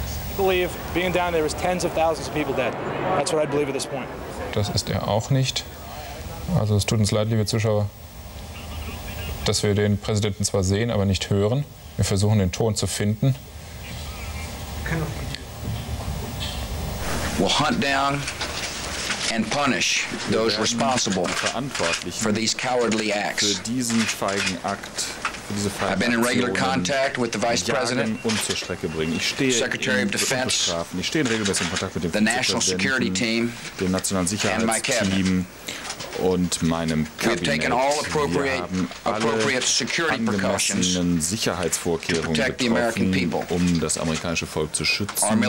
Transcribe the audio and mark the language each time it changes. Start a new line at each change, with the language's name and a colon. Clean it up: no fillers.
German: Ich glaube,
English: being down there is tens of thousands of people dead. That's what I believe at this point.
German: Das ist er auch nicht. Also es tut uns leid, liebe Zuschauer, dass wir den Präsidenten zwar sehen, aber nicht hören. Wir versuchen, den Ton zu finden.
English: We'll hunt down and punish those responsible
German: Verantwortlichen
English: for these cowardly acts.
German: Für diesen feigen Akt, für diese feigen
English: I've been in regular contact with the Vice President, Secretary of Defense,
German: ich stehe in regelmäßigem Kontakt mit dem
English: the National Security Team,
German: dem Nationalen Sicherheitsteam. Und meinem Kabinett. Wir haben alle angemessenen Sicherheitsvorkehrungen getroffen, um das amerikanische Volk zu schützen.